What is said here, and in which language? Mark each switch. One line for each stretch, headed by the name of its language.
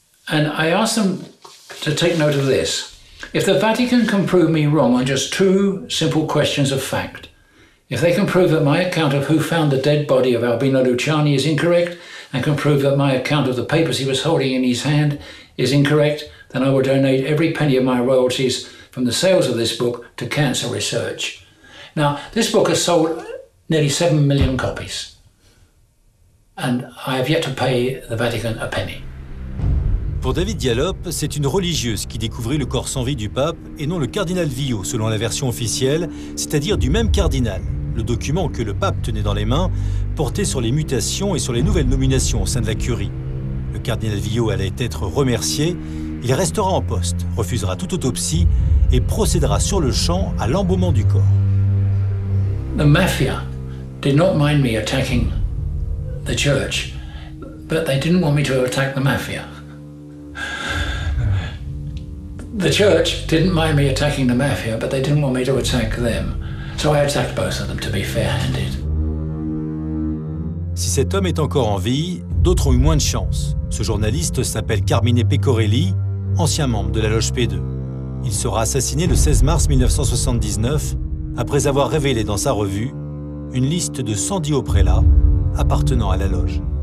English: And I asked them to take note of this. If the Vatican can prove me wrong on just two simple questions of fact, if they can prove that my account of who found the dead body of Albino Luciani is incorrect, and can prove that my account of the papers he was holding in his hand is incorrect, then I will donate every penny of my royalties from the sales of this book to cancer research. Now, this book has sold nearly 7 million copies, and I have yet to pay the Vatican a penny.
French: Pour David Diallop, c'est une religieuse qui découvrit le corps sans vie du pape et non le cardinal Villot, selon la version officielle, c'est-à-dire du même cardinal. Le document que le pape tenait dans les mains portait sur les mutations et sur les nouvelles nominations au sein de la curie. Le cardinal Villot allait être remercié, il restera en poste, refusera toute autopsie et procédera sur le champ à l'embaumement du corps.
English: The mafia did not mind me attacking the church, but they didn't want me to attack the mafia. The church didn't mind me attacking the mafia, but they didn't want me to attack them. So I attacked both of them, to be fair-handed.
French: Si cet homme est encore en vie, d'autres ont eu moins de chance. Ce journaliste s'appelle Carmine Pecorelli, ancien membre de la loge P2. Il sera assassiné le 16 mars 1979, après avoir révélé dans sa revue une liste de 110 hauts prélats appartenant à la loge.